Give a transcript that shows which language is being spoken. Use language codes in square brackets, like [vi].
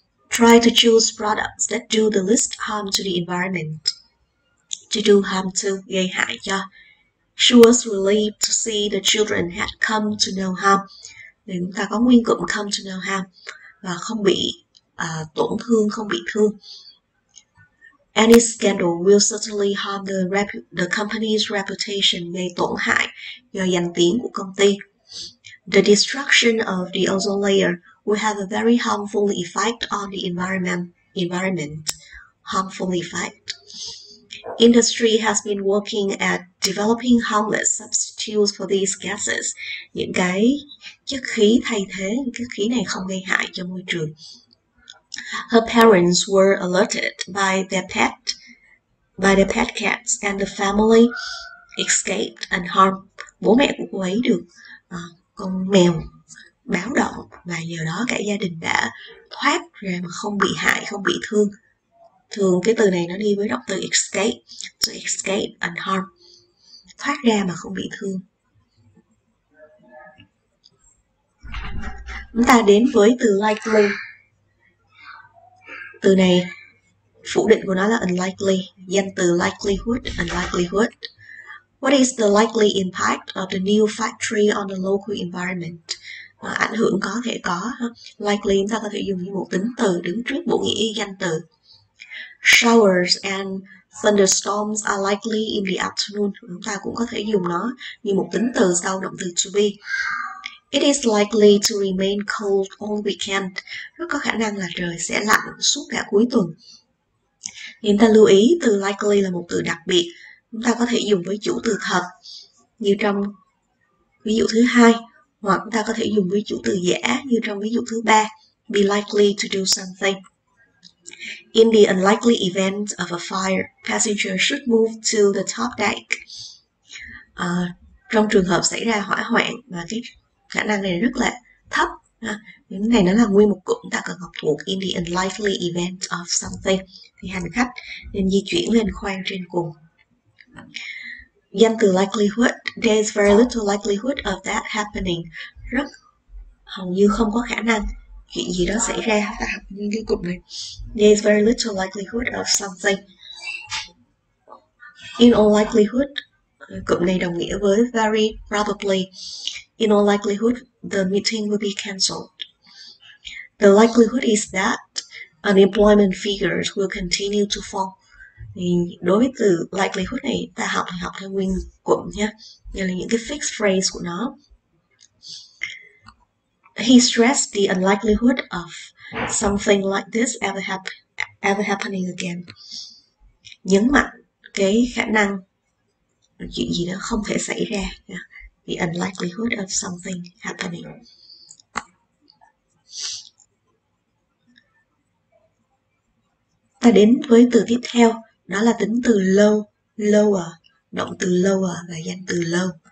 [en] Try to choose products that do the least harm to the environment. To do harm to, [vi] gây hại cho. [en] She was relieved to see the children had come to no harm. [vi] Thì chúng ta có nguyên cụm [en] come to no harm, [vi] và không bị tổn thương, không bị thương. [en] Any scandal will certainly harm the company's reputation, [vi] gây tổn hại do danh tiếng của công ty. [en] The destruction of the ozone layer will have a very harmful effect on the environment. Harmful effect. Industry has been working at developing harmless substitutes for these gases. [vi] Những cái chất khí thay thế, chất khí này không gây hại cho môi trường. [en] Her parents were alerted by their pet cats, and the family escaped unharmed. [vi] Bố mẹ của cô ấy được con mèo báo động, và nhờ đó cả gia đình đã thoát ra mà không bị hại, không bị thương. Thường cái từ này nó đi với động từ escape, so [en] escape unharmed, [vi] thoát ra mà không bị thương. Chúng ta đến với từ likely. Từ này phủ định của nó là unlikely, danh từ likelihood, unlikelihood. [en] What is the likely impact of the new factory on the local environment? [vi] Ảnh hưởng có thể có. Likely chúng ta có thể dùng như một tính từ đứng trước bộ nghĩa danh từ. [en] Showers and thunderstorms are likely in the afternoon. [vi] Chúng ta cũng có thể dùng nó như một tính từ sau động từ to be. [en] It is likely to remain cold all weekend. [vi] Rất có khả năng là trời sẽ lạnh suốt cả cuối tuần. Chúng ta lưu ý từ likely là một từ đặc biệt. Chúng ta có thể dùng với chủ từ thật như trong ví dụ thứ hai, hoặc chúng ta có thể dùng với chủ từ giả như trong ví dụ thứ ba, [en] be likely to do something. In the unlikely event of a fire, passengers should move to the top deck. [vi] Trong trường hợp xảy ra hỏa hoạn, và cái khả năng này rất là thấp. Những này nó là nguyên một cụm, ta cần học thuộc [en] in the unlikely event of something. [vi] Thì hành khách nên di chuyển lên khoang trên cùng. [en] Danh từ likelihood, there is very little likelihood of that happening. [vi] Rất hầu như không có khả năng chuyện gì đó xảy ra. Ta học nguyên cái cụm này. [en] There is very little likelihood of something. In all likelihood, [vi] cụm này đồng nghĩa với very probably. [en] In all likelihood, the meeting will be cancelled. The likelihood is that unemployment figures will continue to fall. [vi] Thì đối với từ likelihood này, ta học thì học theo nguyên cụm nhé. Như là những cái fixed phrase của nó. [en] He stressed the unlikelihood of something like this ever happening again. [vi] Nhấn mạnh cái khả năng chuyện gì đó không thể xảy ra. [en] The unlikelihood of something happening. [vi] Ta đến với từ tiếp theo, đó là tính từ low, lower, động từ lower và danh từ low.